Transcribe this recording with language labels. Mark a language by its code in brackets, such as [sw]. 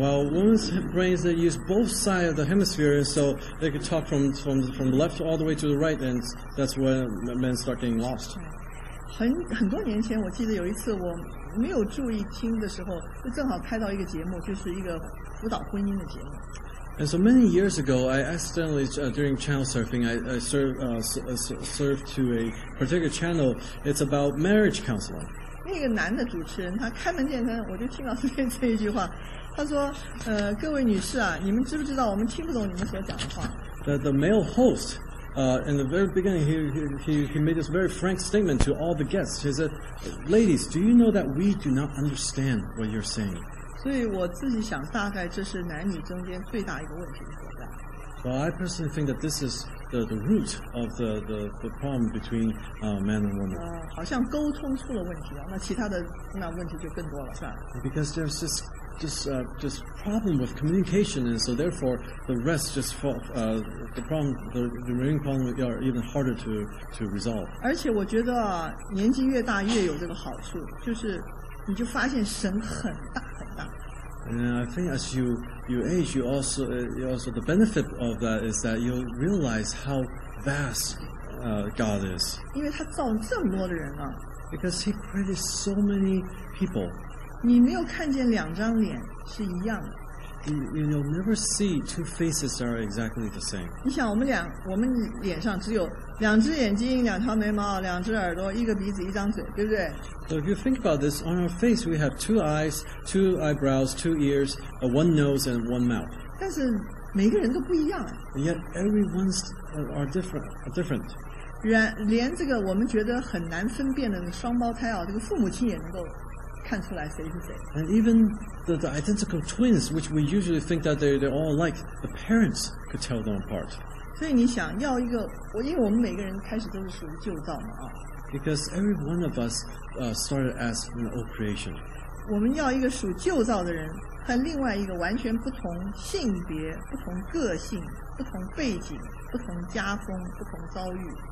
[en] while women's brains they use both sides of the hemisphere, so they could talk from the left all the way to the right, and that's where men start getting lost. [zh] 很多年前，我记得有一次我没有注意听的时候，就正好开到一个节目，就是一个辅导婚姻的节目。 [en] And so many years ago, I accidentally, during channel surfing, I surfed to a particular channel. It's about marriage counseling. [zh] 那个男的主持人，他开门见山，我就听到这一句话。他说，各位女士啊，你们知不知道我们听不懂你们所讲的话？ [en] The male host, in the very beginning, he made this very frank statement to all the guests. He said, ladies, do you know that we do not understand what you're saying? [zh] 所以我自己想，大概这是男女中间最大一个问题所在。 [en] Well, I personally think that this is the root of the problem between man and woman. [zh] 好像沟通出了问题了，那其他的那问题就更多了，是吧 [en] ？Because there's just problem with communication, and so therefore the rest just fall, the remaining problems are even harder to resolve. [zh] 而且我觉得啊，年纪越大越有这个好处，就是你就发现神很大。 [en] And I think as you age, you also the benefit of that is that you realize how vast God is. [zh] 因为他造这么多的人啊。 [en] Because He created so many people. [zh] 你没有看见两张脸是一样的。 [en] You'll never see two faces that are exactly the same. [zh] 你想我们脸上只有两只眼睛、两条眉毛、两只耳朵、一个鼻子、一张嘴，对不对？ [en] So if you think about this, on our face we have two eyes, two eyebrows, two ears, one nose, and one mouth. [zh] 但是每个人都不一样。 [en] And yet everyone's are different. Even [zh] 这个我们觉得很难分辨的双胞胎啊，这个父母亲也能够看出来谁是谁。 [en] And even the identical twins, which we usually think that they're all alike, the parents could tell them apart. [zh] 所以你想要一个，因为我们每个人开始都是属于旧造嘛啊。 [en] Because every one of us started as an old creation. [zh] 我们要一个属旧造的人和另外一个完全不同性别、不同个性、不同背景、不同家风、不同遭遇。